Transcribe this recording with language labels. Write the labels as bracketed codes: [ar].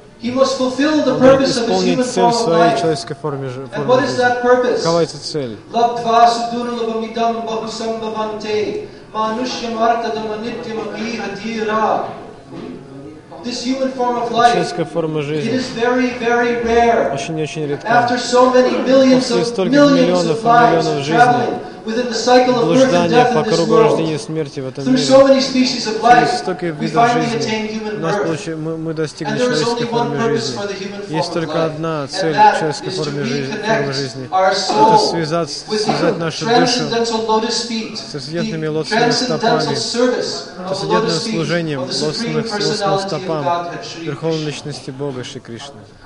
[en] He must fulfill the purpose of his human form of life. [ru] Человеческой форме, [en] And what is that purpose? [ru] Какова эта цель? [sa] Лабдва судуналабам идам бахусам баванте манушьям артадам аниттям агрихадира. [en] This human form of life, [ru] человеческая форма жизни, [en] it is very, very rare. [ru] Очень-очень редко. [en] After so many millions of lives traveling within the cycle of birth and death in this world, through so many species of life, we finally attain human birth. [ru] Мы достигли человеческой формы жизни. Есть только одна цель человеческой формы жизни. Это связать нашу душу с трансцендентными лотосными стопами, трансцендентным служением лотосным стопам Верховной Личности Бога Шри Кришны.